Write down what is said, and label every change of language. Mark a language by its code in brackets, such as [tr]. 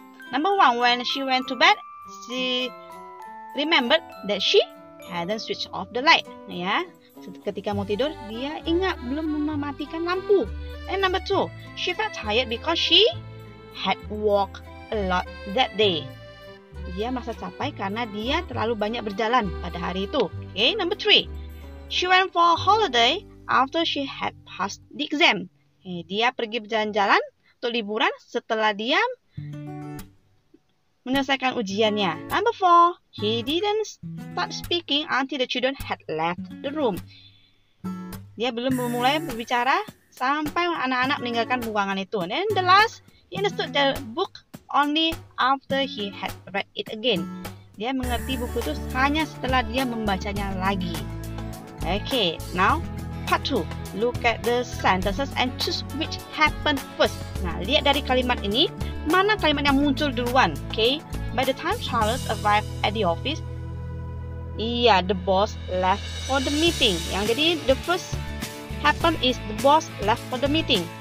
[en] Number 1, when she went to bed, she remembered that she hadn't switched off the light. [id] Ya, ketika mau tidur, dia ingat belum mematikan lampu. [en] And number 2, she felt tired because she had walked a lot that day. [id] Dia merasa capek karena dia terlalu banyak berjalan pada hari itu. [en] Okay, number 3, she went for a holiday after she had passed the exam. [id] Dia pergi berjalan-jalan untuk liburan setelah dia menyelesaikan ujiannya. [en] Number 4, he didn't start speaking until the children had left the room. [id] Dia belum memulai berbicara sampai anak-anak meninggalkan ruangan itu. [en] And the last, he understood the book only after he had read it again. [id] Dia mengerti buku itu hanya setelah dia membacanya lagi. [en] Okay, now part 2. Look at the sentences and choose which happened first. [id] Nah, lihat dari kalimat ini, mana kalimat yang muncul duluan. [en] Okay, by the time Charles arrived at the office, yeah, the boss left for the meeting. [id] Yang jadi [en] the first happen is the boss left for the meeting.